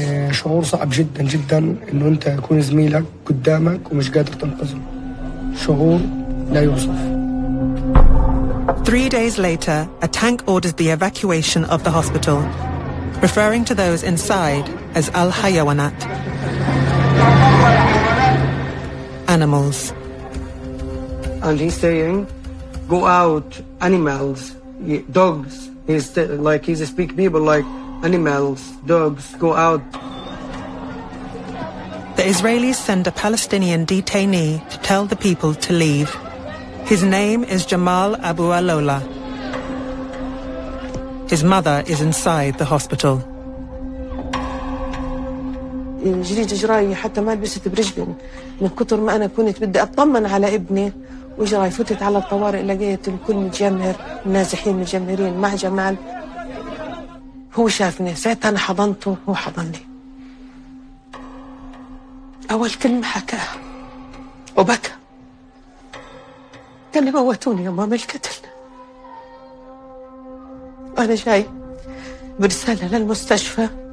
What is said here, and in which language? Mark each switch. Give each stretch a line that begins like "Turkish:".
Arabic: شعور صعب جدا جدا انه انت يكون زميلك قدامك ومش قادر تنقذه شعور لا يوصف.
English: 3 days later, a tank orders the evacuation of the hospital, referring to those inside as al-hayawanat, animals. And he's saying, go out, animals, dogs. He speak people like animals, dogs, go out. The Israelis send a Palestinian detainee to tell the people to leave. His name is Jamal Abu Alola. His mother is inside the hospital.
Arabic: جري جراي حتى ما لبست برجلين من كثر ما انا كنت بدي اطمن على ابني وجراي فتت على الطوارئ لقيت الكل متجمر النازحين متجمرين مع جمال هو شافني ساعتها انا حضنته هو حضني اول كلمه حكاها وبكى قال لي موتوني يا ماما القتل انا جاي برساله للمستشفى